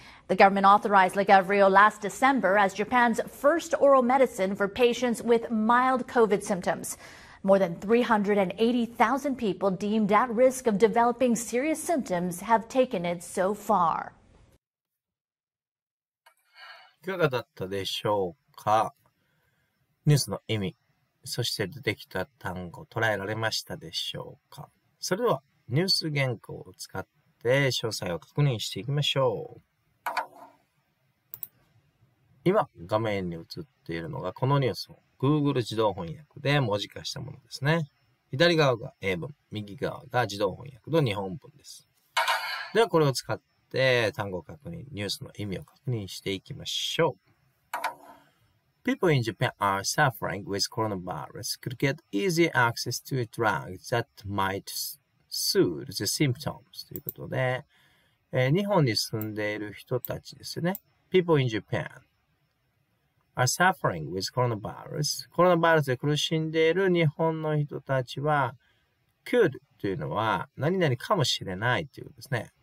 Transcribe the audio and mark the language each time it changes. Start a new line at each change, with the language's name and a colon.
English: The government authorized Lagevrio last December as Japan's first oral medicine for patients with mild COVID symptoms. More than 380,000 people deemed at risk of developing serious symptoms have taken it so far.
Japanese: いかがだったでしょうか。ニュースの意味、そして出てきた単語、捉えられましたでしょうか。それではニュース原稿を使って詳細を確認していきましょう。今画面に映っているのがこのニュースを Google 自動翻訳で文字化したものですね。左側が英文、右側が自動翻訳の日本文です。ではこれを使って単語確認、ニュースの意味を確認していきましょう。
English: People in Japan are suffering with coronavirus could get easy access to a drug that might soothe the symptoms.
Japanese: ということで、日本に住んでいる人たちですよね。
English: People in Japan are suffering with coronavirus.
Japanese: コロナウイルスで苦しんでいる日本の人たちは、could というのは何々かもしれないということですね。